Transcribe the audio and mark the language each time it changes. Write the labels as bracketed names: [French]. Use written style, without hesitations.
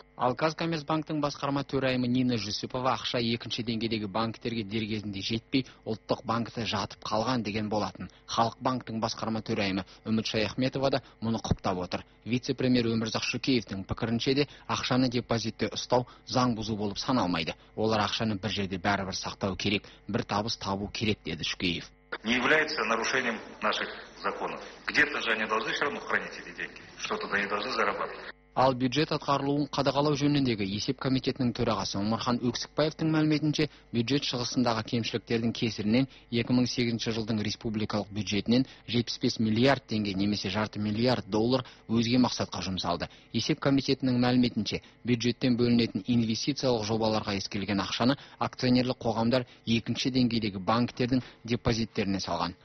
[Kazakh] Ал Қазкоммерцбанктің басқарма төрайымы Нина Жүсіпова ақша 2-ші деңгейдегі банктерге дер кезінде жетпей, ұлттық банкте жатып қалған деген болатын. Халық банктің басқарма төрайымы Үміт Шаяхметова да мұны құптап отыр. Вице-премьер Өмірзақ Шүкеевтің пікірінше де ақшаны депозитте ұстау заң бұзу болып саналмайды. Олар ақшаны бір жерде бәрібір сақтау керек, бір табыс табу керек, деді Шүкеев. [Russian] не является нарушением наших законов. Где-то же они должны все равно хранить эти деньги, что-то они должны зарабатывать. [Kazakh] Ал бюджет атқарылуын қадағалау жөніндегі есеп комитетінің төрағасы Омархан Өксікбаевтың мәліметінше, бюджет шығысындағы кемшіліктердің кесірінен 2008 жылдың республикалық бюджетінен 75 миллиард теңге немесе жарты миллиард доллар өзге мақсатқа жұмсалды. Есеп комитетінің мәліметінше, бюджеттен бөлінетін инвестициялық жобаларға ескерілген ақшаны акционерлік қоғамдар екінші деңгейдегі банктердің депозиттеріне салған.